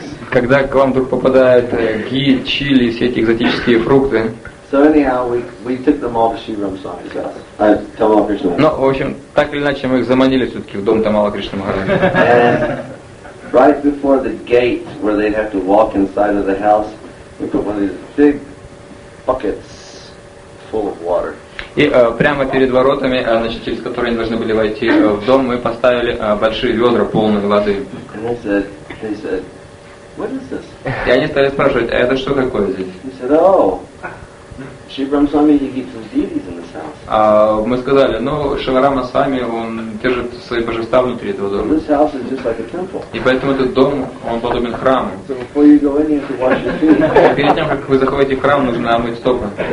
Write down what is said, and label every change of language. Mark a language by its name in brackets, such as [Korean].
[Russian] Когда к вам вдруг попадают ги, чили, все эти экзотические фрукты, [English] so anyhow, we took them all to Shivaram Swami's house. Tamala Krishna Maharaj. [Russian] Ну, в общем, так или иначе, мы их заманили все-таки в дом Тамала Кришна Махараджа. [English] And right before the gate where they'd have to walk inside of the house, we put one of these big buckets full of water. [Russian] И прямо перед воротами, значит, через которые они должны были войти в дом, мы поставили большие ведра полные воды. [English] And they said, what is this? [Russian] И они стали спрашивать, а это что такое здесь? [English] He said, oh. Shivaram Swami, he keeps his deities in this house. [Russian] Мы сказали, ну, Шиварама Свами, он держит свои божества внутри этого дома. [English] This house is just like a temple. [Russian] И поэтому этот дом, он подобен храму. [English] So before you go in, you have to wash your feet. [Russian] Перед тем, как вы заходите в храм, нужно омыть стопы.